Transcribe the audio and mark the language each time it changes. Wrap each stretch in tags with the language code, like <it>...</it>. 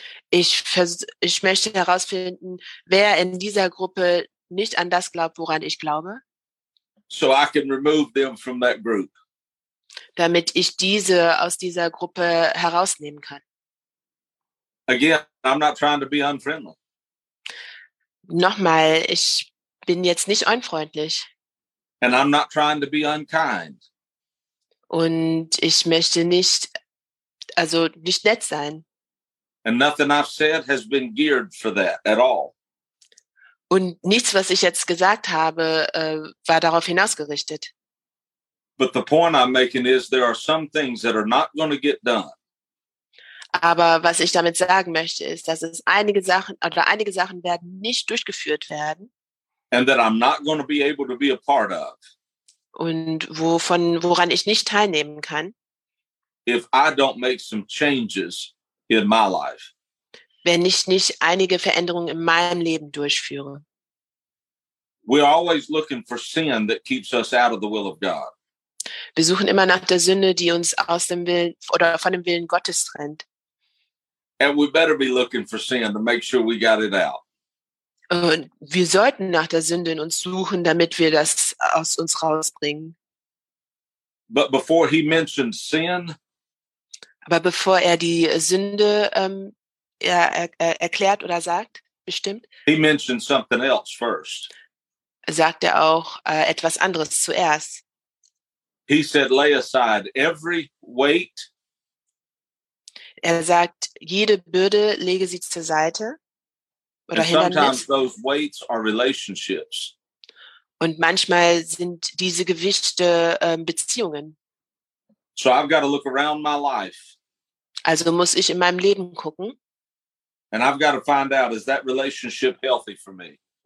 <de>Ich möchte herausfinden, wer in dieser Gruppe nicht an das glaubt, woran ich glaube.</de> <en>So I can remove them from that group.</en> <de>Damit ich diese aus dieser Gruppe herausnehmen kann.</de> <en>Again, I'm not trying to be unfriendly.</en> <de>Nochmal, ich bin jetzt nicht unfreundlich.</de> <en>And I'm not trying to be unkind.</en> <de>Und ich möchte nicht nett sein.</de> <en>And nothing I've said has been geared for that at all.</en> <de>Und nichts, was ich jetzt gesagt habe, war darauf hinausgerichtet.</de> <en>But the point I'm making is there are some things that are not going to get done.</en> <de>Aber was ich damit sagen möchte, ist, dass es einige Sachen werden nicht durchgeführt werden.</de> <en>And that I'm not going to be able to be a part of.</en> <de>Und woran ich nicht teilnehmen kann.</de> <en>If I don't make some changes in my life.</en> <de>Wenn ich nicht einige Veränderungen in meinem Leben durchführe.</de> <en>We're always looking for sin that keeps us out of the will of God.</en> <de>Wir suchen immer nach der Sünde, die uns aus dem Willen oder von dem Willen Gottes trennt.</de> <en>And we better be looking for sin to make sure we got it out.</en> <de>Und wir sollten nach der Sünde in uns suchen, damit wir das aus uns rausbringen.</de> <en>But before he mentioned sin,</en> <de>aber bevor er die Sünde erklärt oder sagt, bestimmt,</de> <en>he mentioned something else first.</en> <de>Sagt er auch etwas anderes zuerst.</de> <en>He said, lay aside every weight.</en> <de>Er sagt, jede Bürde lege sie zur Seite.</de> <en>And sometimes those weights are relationships.</en> <de>Und manchmal sind diese Gewichte Beziehungen.</de> <en>So I've got to look around my life.</en> <de>Also muss ich in meinem Leben gucken.</de> <en>And I've got to find out, is that relationship healthy for me?</en>